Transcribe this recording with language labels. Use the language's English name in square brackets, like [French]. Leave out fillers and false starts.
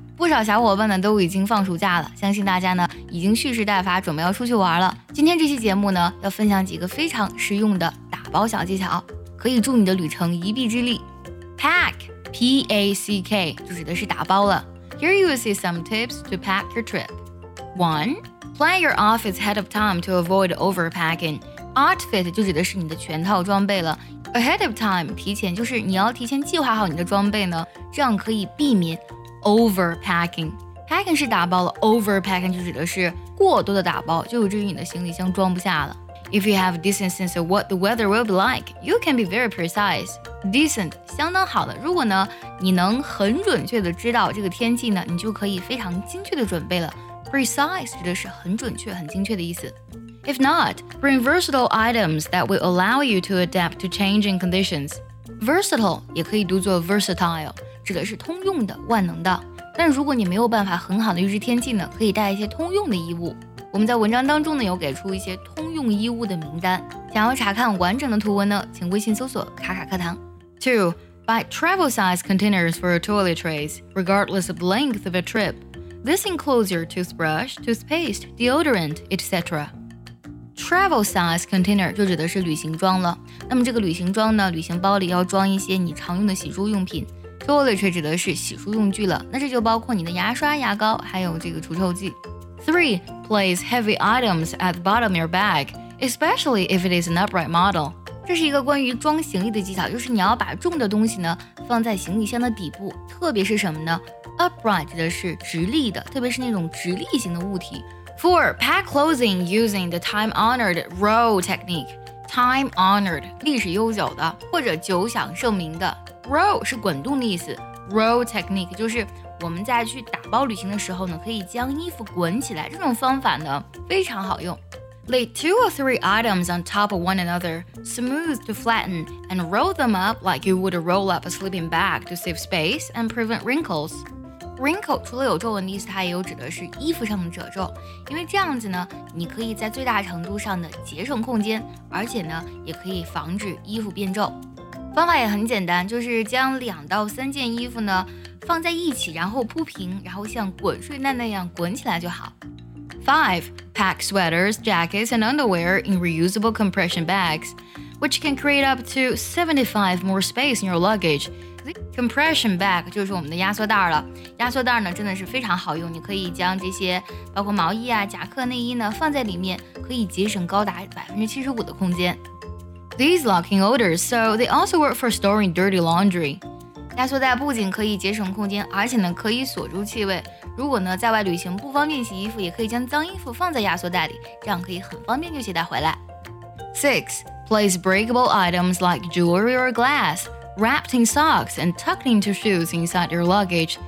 [Chinese] 不少小伙伴呢都已经放暑假了，相信大家呢已经蓄势待发，准备要出去玩了。今天这期节目呢，要分享几个非常实用的打包小技巧，可以助你的旅程一臂之力。 Pack, P-A-C-K, 就指的是打包了。 [English] Here you will see some tips to pack your trip. 1. Plan your outfits ahead of time to avoid overpacking. [Chinese] Outfit 就指的是你的全套装备了。 [English] Ahead of time, [Chinese] 提前就是你要提前计划好你的装备呢，这样可以避免 overpacking. Packing 是打包了， overpacking 就指的是过多的打包，就至于你的行李箱装不下了。 [English] If you have a decent sense of what the weather will be like, you can be very precise. [Chinese] Decent, 相当好的。如果呢，你能很准确的知道这个天气呢，你就可以非常精确的准备了。 Precise 指的是很准确、很精确的意思。 [English] If not, bring versatile items that will allow you to adapt to changing conditions. [Chinese] Versatile 也可以读作 versatile, 指的是通用的、万能的。但如果你没有办法很好的预知天气呢，可以带一些通用的衣物。我们在文章当中呢有给出一些通用衣物的名单。想要查看完整的图文呢，请微信搜索卡卡课堂。 [English] 2. Buy travel size containers for your toiletries, regardless of the length of a trip. This includes your toothbrush, toothpaste, deodorant, etc. [Chinese] Travel size container 就指的是旅行装了。那么这个旅行装呢，旅行包里要装一些你常用的洗漱用品。 Toiletry 指的是洗漱用具了，那这就包括你的牙刷、牙膏，还有这个除臭剂。3. [English] Place heavy items at the bottom of your bag, especially if it is an upright model. [Chinese] 这是一个关于装行李的技巧，就是你要把重的东西呢放在行李箱的底部，特别是什么呢？ Upright 指的是直立的，特别是那种直立型的物体。4. [English] Pack clothing using the time-honored row technique. [Chinese] Time-honored, 历史悠久的或者久享盛名的。 Row 是滚动的意思。Row technique 就是我们在去打包旅行的时候呢，可以将衣服滚起来，这种方法呢非常好用。 [English] Lay 2 or 3 items on top of one another, smooth to flatten, and roll them up like you would roll up a sleeping bag to save space and prevent wrinkles. [Chinese] Wrinkle 除了有皱纹的意思，它也有指的是衣服上的褶皱，因为这样子呢，你可以在最大程度上的节省空间，而且呢，也可以防止衣服变皱。方法也很简单，就是将2到3件衣服呢放在一起，然后铺平，然后像滚睡袋那样滚起来就好。 [English] 5. Pack sweaters, jackets, and underwear in reusable compression bags, which can create up to 75 more space in your luggage. [Chinese] Compression bag 就是我们的压缩袋了，压缩袋呢真的是非常好用，你可以将这些包括毛衣啊、夹克、内衣呢放在里面，可以节省高达75%的空间。 [English] These locking orders, so they also work for storing dirty laundry. [Chinese] 压缩袋不仅可以节省空间，而且呢可以锁住气味，如果呢在外旅行不方便洗衣服，也可以将脏衣服放在压缩袋里，这样可以很方便就携带回来。 [English] 6. Place breakable items like jewelry or glasswrapped in socks and tucked into shoes inside your luggage.